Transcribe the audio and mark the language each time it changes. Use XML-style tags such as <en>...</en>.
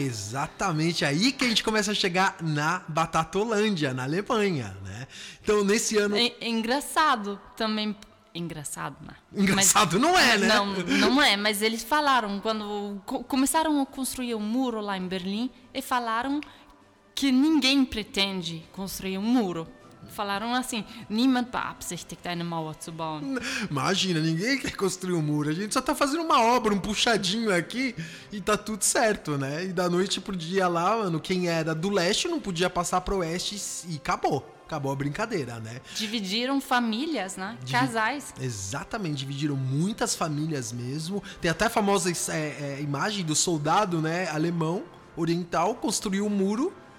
<pt>Exatamente, aí que a gente começa a chegar na Batatolândia, na Alemanha, né? Então, nesse ano... Engraçado também... Engraçado, né? Engraçado, mas, não é, né? Não é, mas eles falaram, quando começaram a construir um muro lá em Berlim, e falaram... que ninguém pretende construir um muro. Falaram assim,</pt> <de>niemand beabsichtigt eine Mauer zu bauen.</de> <pt>Imagina, ninguém quer construir um muro. A gente só tá fazendo uma obra, um puxadinho aqui, e tá tudo certo, né? E da noite pro dia lá, mano, quem era do leste não podia passar pro oeste e acabou. Acabou a brincadeira, né? Dividiram famílias, né? Casais. Exatamente, dividiram muitas famílias mesmo. Tem até a famosa imagem do soldado, né, alemão, oriental, construiu um muro.</pt>